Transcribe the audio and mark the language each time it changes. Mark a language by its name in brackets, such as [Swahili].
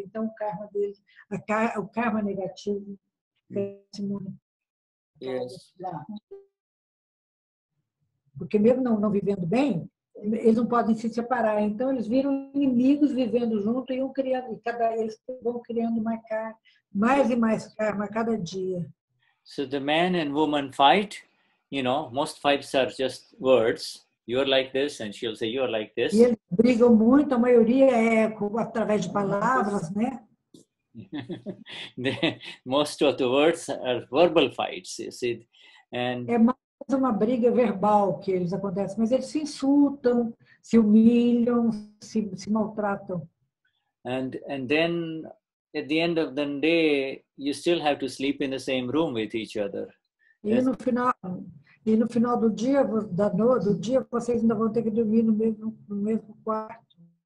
[Portuguese] Então, o karma deles, o karma negativo, cresce muito. [English] Yes. [Portuguese] Porque mesmo não vivendo bem, eles não podem se separar, então eles viram inimigos vivendo junto e um criando, e cada eles vão criando mais e mais karma a cada dia. [English] So the man and woman fight, you know, most fights are just words. You're like this, and she'll say you're like this. [Portuguese] E eles brigam muito, a maioria é através de palavras, né? [English] Most of the words are verbal fights, you see. And [Portuguese] é uma briga verbal que eles acontecem, mas eles se insultam, se humilham, se maltratam. [English] And then at the end of the day, you still have to sleep in the same room with each other. [Portuguese] E no final do dia vocês ainda vão ter que dormir no mesmo quarto.